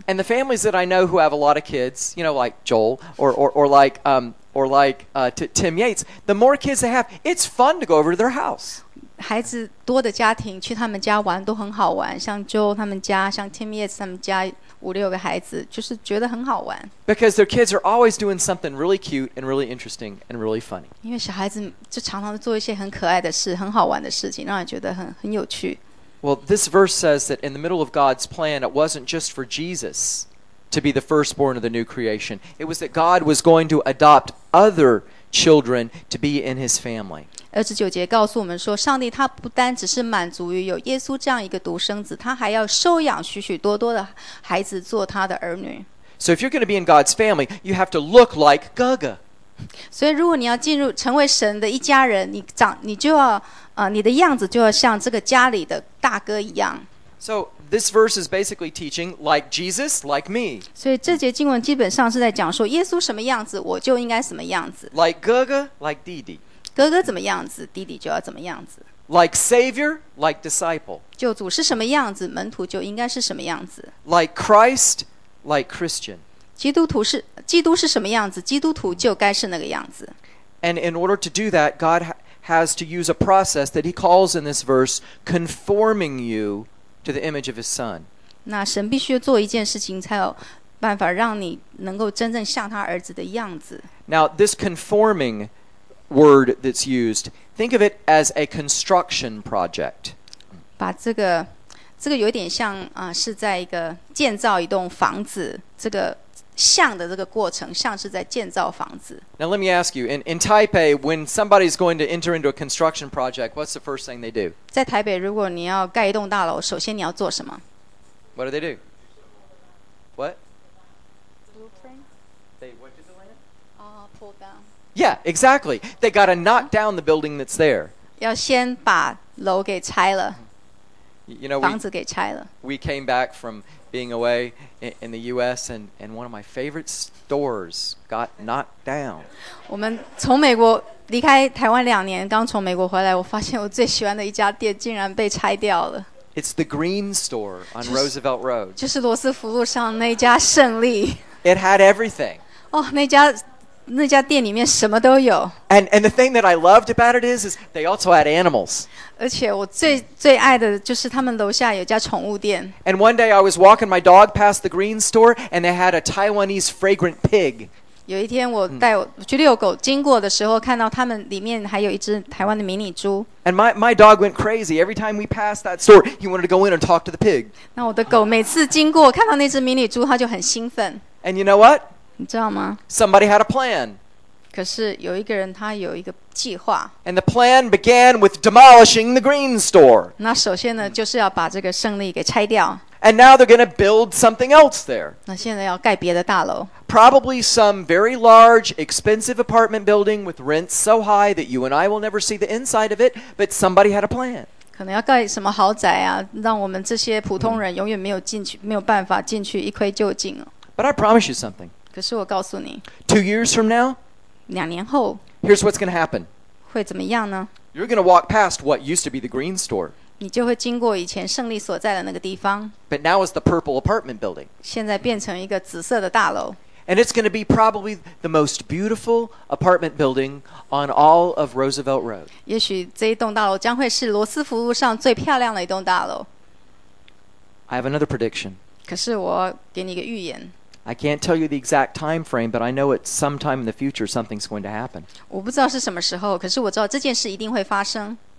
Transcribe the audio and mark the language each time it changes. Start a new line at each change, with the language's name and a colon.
English: And the families that I know who have a lot of kids, you know, like Joel or like Tim Yates, the more kids they have, it's fun to go over to their house.
Chinese: 孩子多的家庭去他们家玩都很好玩，像 Joe 他们家，像 Tim Yates 他们家五六个孩子，就是觉得很好玩。
English: Because their kids are always doing something really cute and really interesting and really funny.
Chinese: 因为小孩子就常常做一些很可爱的事，很好玩的事情，让人觉得很有趣。
English: Well, this verse says that in the middle of God's plan, it wasn't just for Jesus. To be the firstborn of the new creation. It was that God was going to adopt other children to be in his family.
Chinese: 二十九节告诉我们说，上帝他不单只是满足于有耶稣这样一个独生子，他还要收养许许多多的孩子做他的儿女。
English: So if you're going to be in God's family, you have to look like Gaga.
Chinese: 所以如果你要进入成为神的一家人，你就要你的样子就要像这个家里的大哥一样。
English: So,This verse is basically teaching, like Jesus, like me.
Chinese: 所以这节经文基本上是在讲说，耶稣什么样子，我就应该什么样子。
English: Like
Chinese: 哥哥
English: like
Chinese: 弟弟。哥哥怎么样子，弟弟就要怎么样子。
English: Like Savior, like disciple.
Chinese: 救主是什么样子，门徒就应该是什么样子。
English: Like Christ, like Christian.
Chinese: 基督是什么样子，基督徒就该是那个样子。
English: And in order to do that, God has to use a process that he calls in this verse, conforming you. To the image of his son.
Chinese: 那神必须做一件事情，才有办法让你能够真正像他儿子的样子。
English: Now, this conforming word that's used, think of it as a construction project.
Chinese: 把这个有点像是在一个建造一栋房子，这个像的这个过程，像是在建造房子。
English: Now, let me ask you, in Taipei, when somebody's going to enter into a construction project, what's the first thing they do?
Chinese: 在台北，如果你要盖一栋大楼，首先你要做什么？
English: What do they do? What? Blueprint? They went to the land? Pull down. Yeah, exactly. They got to knock down the building that's there.
Chinese: 要先把楼给拆了。
English: You know,
Chinese: 房子给拆了。
English: We came back from... being away in the U.S. and one of my favorite stores got knocked down.
Chinese: 我们从美国离开台湾两年，刚从美国回来，我发现我最喜欢的一家店竟然被拆掉了。
English: It's the Green Store on Roosevelt Road.
Chinese: 就是罗斯福路上那家胜利。
English: It had everything.
Chinese: 哦，那家店里面什么都有。
English: And the thing that I loved about it is they also had animals.
Chinese: 而且我最爱的就是他们楼下有家宠物店。
English: And one day I was walking my dog past the green store, and they had a Taiwanese fragrant pig.
Chinese: 有一天我带我去遛狗经过的时候看到他们里面还有一只台湾的迷你猪
English: And my dog went crazy. Every time we passed that store, he wanted to go in and talk to the pig.
Chinese: 那我的狗每次经过看到那只迷你猪他就很兴奋
English: And you know what?
Chinese: 你知道吗
English: Somebody had a plan.
Chinese: 可是有一个人他有一个计划
English: And the plan began with demolishing the green store.
Chinese: 那首先呢就是要把这个胜利给拆掉
English: And now they're going to build something else there.
Chinese: 那现在要盖别的大楼。
English: Probably some very large, expensive apartment building with rents so high that you and I will never see the inside of it, but somebody had a plan.
Chinese: 可能要盖什么豪宅啊，让我们这些普通人永远没有进去，没有办法进去一窥究竟了。
English: But I promise you something.
Chinese: 可是我告诉你。
English: 2 years from now?
Chinese: 2年后。
English: Here's what's going to happen.
Chinese: 会怎么样呢？
English: You're going to walk past what used to be the green store.
Chinese: 你就会经过以前胜利所在的那个地方。
English: But now it's the purple apartment building.
Chinese: 现在变成一个紫色的大楼。
English: And it's going to be probably the most beautiful apartment building on all of Roosevelt Road.
Chinese: 也许这一栋大楼将会是罗斯福路上最漂亮的一栋大楼。
English: I have another prediction.
Chinese: 可是我给你一个预言。
English: I can't tell you the exact time frame, but I know it's sometime in the future something's going to happen.
Chinese: 我不知道是什么时候，可是我知道这件事一定会发生。